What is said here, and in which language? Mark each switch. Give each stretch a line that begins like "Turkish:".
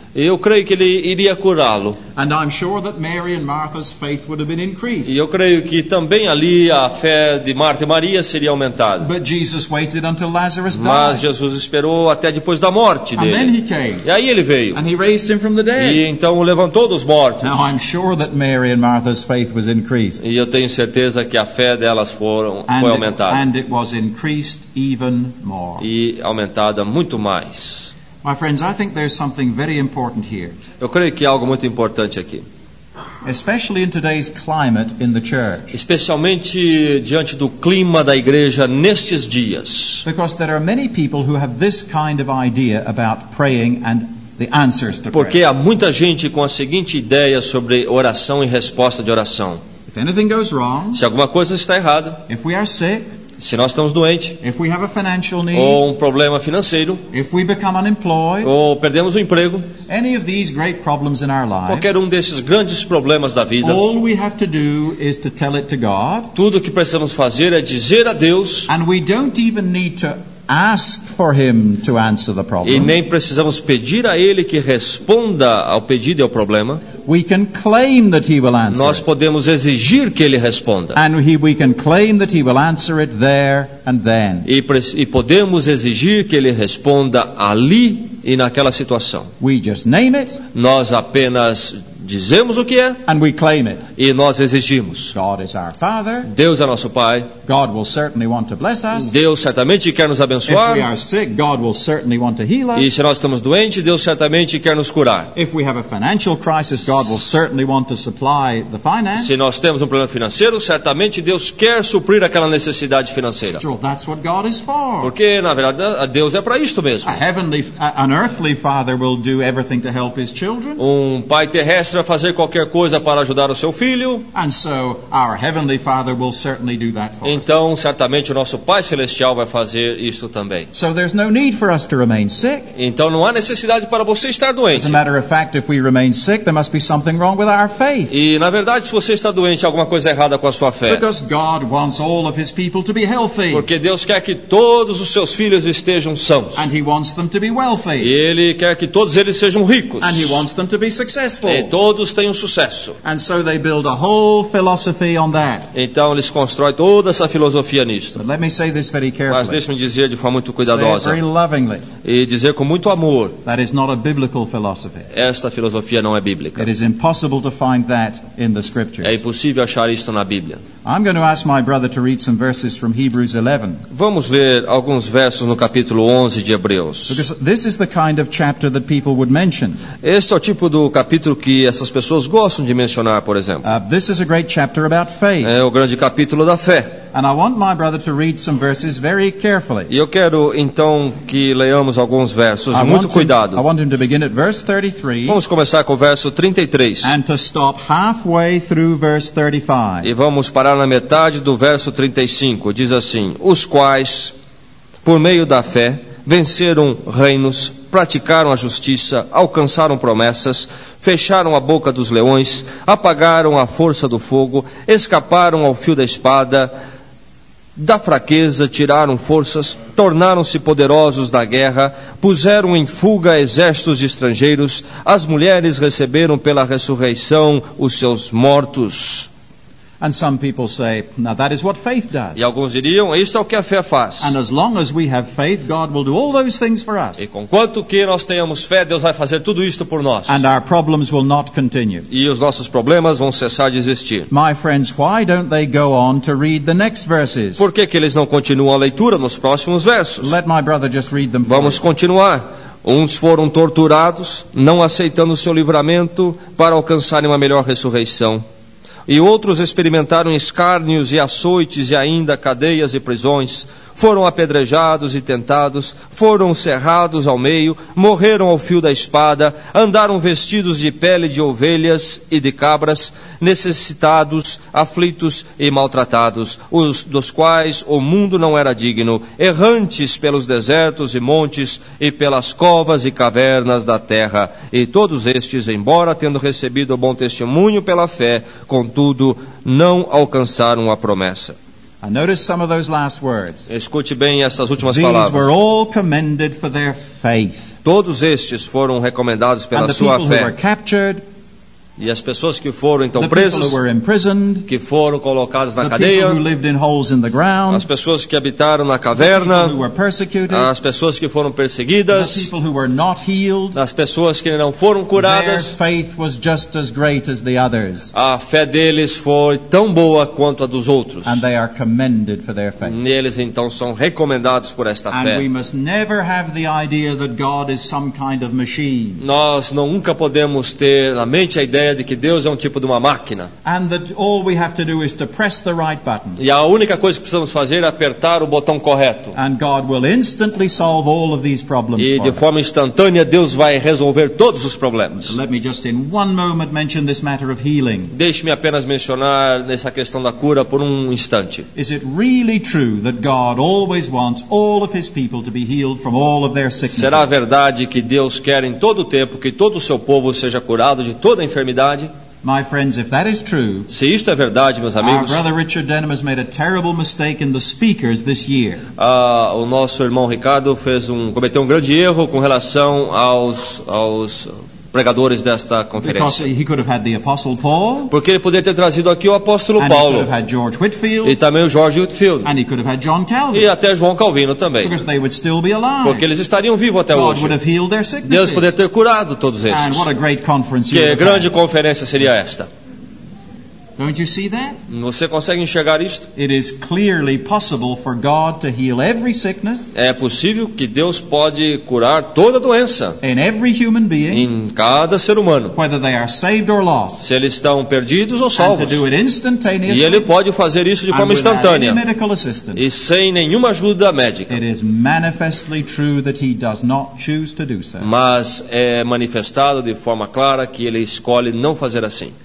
Portuguese: Eu creio que ele iria curá-lo.
English: And I'm sure that Mary and Martha's faith would have been increased.
Portuguese: E eu creio que também ali a fé de Marta e Maria seria aumentada.
English: But Jesus waited until Lazarus died.
Portuguese: Mas Jesus esperou até depois da morte dele.
English: And then he came.
Portuguese: E aí ele veio.
English: And he raised him from the dead.
Portuguese: E então o levantou dos mortos.
English: Now I'm sure that Mary and Martha's faith was increased.
Portuguese: E eu tenho certeza que a fé delas foi aumentada.
English: And it was increased even more.
Portuguese: E aumentada muito mais.
English: My friends, I think there's something very important here.
Portuguese: Eu creio que há algo muito importante aqui.
English: Especially in today's climate in the church.
Portuguese: Especialmente diante do clima da igreja nestes dias.
English: Because there are many people who have this kind of idea about praying and the answers to prayer.
Portuguese: Porque há muita gente com a seguinte ideia sobre oração e resposta de oração.
English: If anything goes wrong,
Portuguese: se alguma coisa está errada,
English: if we are sick,
Portuguese: se nós estamos doentes,
English: if we have a financial need,
Portuguese: ou um problema financeiro,
English: if we become unemployed,
Portuguese: ou perdemos o emprego,
English: any of these great problems in our lives,
Portuguese: qualquer desses grandes problemas da vida,
English: all we have to do is to tell it to God,
Portuguese: tudo o que precisamos fazer é dizer a Deus,
English: and we don't even need to ask for him to answer the problem.
Portuguese: E nem precisamos pedir a ele que responda ao pedido e ao problema.
English: We can claim that he will answer.
Portuguese: Nós podemos exigir que ele responda.
English: And we can claim that he will answer it there and then.
Portuguese: E podemos exigir que ele responda ali e naquela situação.
English: We just name it.
Portuguese: Nós apenas dizemos o que é.
English: And we claim it.
Portuguese: E nós exigimos.
English: God is our Father.
Portuguese: Deus é nosso Pai.
English: God will certainly want to bless us.
Portuguese: Deus certamente quer nos abençoar.
English: If we are sick, God will certainly want to heal us.
Portuguese: E se nós estamos doentes, Deus certamente quer nos curar.
English: If we have a financial crisis, God will certainly want to supply the finance.
Portuguese: Se nós temos um problema financeiro, certamente Deus quer suprir aquela necessidade financeira.
English: After all, that's what God is for.
Portuguese: Porque, na verdade, Deus é para isto mesmo.
English: An earthly father will do everything to help his children.
Portuguese: Um pai terrestre vai fazer qualquer coisa para ajudar o seu filho.
English: And so our heavenly father will certainly do that for us.
Portuguese: Então, certamente, o nosso Pai Celestial vai fazer isso também.
English: So there's no need for us to remain sick.
Portuguese: Então, não há necessidade para você estar doente.
English: As a matter of fact, if we remain sick, there must be something wrong with our faith.
Portuguese: E, na verdade, se você está doente, alguma coisa errada com a sua fé.
English: Because God wants all of his people to be healthy.
Portuguese: Porque Deus quer que todos os seus filhos estejam sãos.
English: And he wants them to be wealthy.
Portuguese: E Ele quer que todos eles sejam ricos.
English: And he wants them to be successful.
Portuguese: E todos tenham sucesso.
English: And so they build a whole philosophy on that.
Portuguese: Então, eles constroem toda essa filosofia nisto.
English: Let me say this very carefully.
Portuguese: Mas deixe-me dizer de forma muito cuidadosa e dizer com muito amor.
English: That is not a biblical philosophy.
Portuguese: Esta filosofia não é bíblica.
English: It is impossible to find that in the scriptures.
Portuguese: É impossível achar isto na Bíblia.
English: I'm going to ask my brother to read some verses from Hebrews 11.
Portuguese: Vamos ler alguns versos no capítulo 11 de Hebreus.
English: Because this is the kind of chapter that people would mention.
Portuguese: Este é o tipo do capítulo que essas pessoas gostam de mencionar, por exemplo.
English: This is a great chapter about faith.
Portuguese: É o grande capítulo da fé.
English: And I want my brother to read some verses very carefully.
Portuguese: E eu quero então que leamos alguns versos com muito cuidado.
English: I want him to begin at verse 33.
Portuguese: Vamos começar com o verso 33.
English: And to stop halfway through verse 35.
Portuguese: E vamos parar na metade do verso 35. Diz assim: os quais, por meio da fé, venceram reinos, praticaram a justiça, alcançaram promessas, fecharam a boca dos leões, apagaram a força do fogo, escaparam ao fio da espada, da fraqueza tiraram forças, tornaram-se poderosos da guerra, puseram em fuga exércitos de estrangeiros, as mulheres receberam pela ressurreição os seus mortos.
English: And some people say, now that is what faith does.
Portuguese: E alguns diriam, isto é o que a fé faz.
English: And as long as we have faith, God will do all those things for us.
Portuguese: E conquanto que nós tenhamos fé, Deus vai fazer tudo isto por nós.
English: And our problems will not continue.
Portuguese: E os nossos problemas vão cessar de existir.
English: My friends, why don't they go on to read the next verses?
Portuguese: Por que que eles não continuam a leitura nos próximos versos?
English: Let my brother just read them.
Portuguese: Vamos continuar. Uns foram torturados, não aceitando o seu livramento, para alcançarem uma melhor ressurreição. E outros experimentaram escárnios e açoites e ainda cadeias e prisões. Foram apedrejados e tentados, foram cerrados ao meio, morreram ao fio da espada, andaram vestidos de pele de ovelhas e de cabras, necessitados, aflitos e maltratados, os dos quais o mundo não era digno, errantes pelos desertos e montes e pelas covas e cavernas da terra. E todos estes, embora tendo recebido bom testemunho pela fé, contudo não alcançaram a promessa.
English: And notice some of those last words.
Portuguese: Escute bem essas últimas
English: These
Portuguese: palavras.
English: Were all commended for their faith.
Portuguese: Todos estes foram recomendados pela
English: And the
Portuguese: sua
English: people
Portuguese: fé.
English: Who were captured,
Portuguese: e as pessoas que foram então
English: the
Portuguese: presas,
English: people who were imprisoned,
Portuguese: que foram colocadas na
English: the
Portuguese: cadeia,
English: people who lived in holes in the ground,
Portuguese: as pessoas que habitaram na caverna,
English: the people who were persecuted,
Portuguese: as pessoas que foram perseguidas,
English: the people who were not healed,
Portuguese: as pessoas que não foram curadas,
English: their faith was just as great as the others.
Portuguese: A fé deles foi tão boa quanto a dos outros.
English: And they are commended for their faith.
Portuguese: E eles então são recomendados por esta fé.
English: And we must never have the idea that God is some kind of machine.
Portuguese: Nós nunca podemos ter na mente a ideia de que Deus é um tipo de uma máquina.
English: And that all we have to do is to press the right button.
Portuguese: E a única coisa que precisamos fazer é apertar o botão correto.
English: And God will instantly solve all of these problems.
Portuguese: E de forma instantânea Deus vai resolver todos os problemas.
English: Let me just in one moment mention this matter of healing.
Portuguese: Deixe-me apenas mencionar nessa questão da cura por um instante.
English: Is it really true that God always wants all of his people to be healed from all of their sicknesses?
Portuguese: Será verdade que Deus quer em todo o tempo que todo o seu povo seja curado de toda a enfermidade?
English: My friends, if that is true,
Portuguese: se isto é verdade, meus amigos,
English: our brother Richard Denham has made a terrible mistake in the speakers this year.
Portuguese: O nosso irmão Ricardo cometeu um grande erro com relação aos pregadores desta conferência.
English: Because he could have had the Apostle Paul,
Portuguese: porque ele poderia ter trazido aqui o apóstolo Paulo,
English: and he could have had George Whitfield,
Portuguese: e também o George Whitfield,
English: and he could have had John Calvin,
Portuguese: e até João Calvino também,
English: because they would still be alive.
Portuguese: Porque eles estariam vivos até
English: God
Portuguese: hoje.
English: Would have healed their sicknesses.
Portuguese: Deus poderia ter curado todos esses.
English: And what a great conference
Portuguese: que
English: you would
Portuguese: grande
English: have
Portuguese: conferência seria esta.
English: Don't you see that?
Portuguese: Você consegue enxergar isto?
English: It is clearly possible for God to heal every sickness.
Portuguese: É possível que Deus pode curar toda a doença.
English: In every human being.
Portuguese: Em cada ser humano.
English: Whether they are saved or lost.
Portuguese: Se eles estão perdidos ou salvos.
English: And to do it instantaneously.
Portuguese: E ele pode fazer isso de forma instantânea.
English: Without any medical assistance.
Portuguese: E sem nenhuma ajuda médica.
English: It is manifestly true that he does not choose to do so.
Portuguese: Mas é manifestado de forma clara que ele escolhe não fazer assim.